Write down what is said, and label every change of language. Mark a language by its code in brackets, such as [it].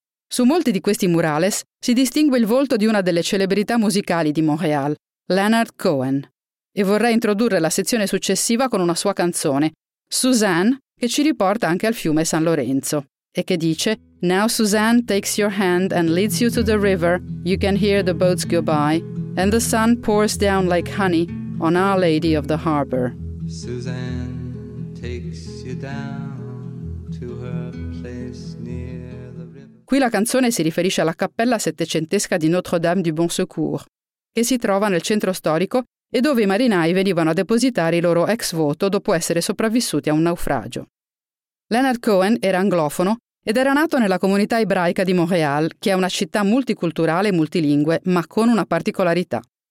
[it] Su molti di questi murales si distingue il volto di una delle celebrità musicali di Montréal, Leonard Cohen, e vorrei introdurre la sezione successiva con una sua canzone, Suzanne, che ci riporta anche al fiume San Lorenzo, e che dice [en] «Now Suzanne takes your hand and leads you to the river, you can hear the boats go by, and the sun pours down like honey on Our Lady of the Harbor». Suzanne takes you down to her place near the river. [it] Qui la canzone si riferisce alla cappella settecentesca di Notre-Dame du Bon Secours, che si trova nel centro storico e dove i marinai venivano a depositare i loro ex voto dopo essere sopravvissuti a un naufragio. Leonard Cohen era anglofono ed era nato nella comunità ebraica di Montréal, che è una città multiculturale e multilingue, ma con una particolarità.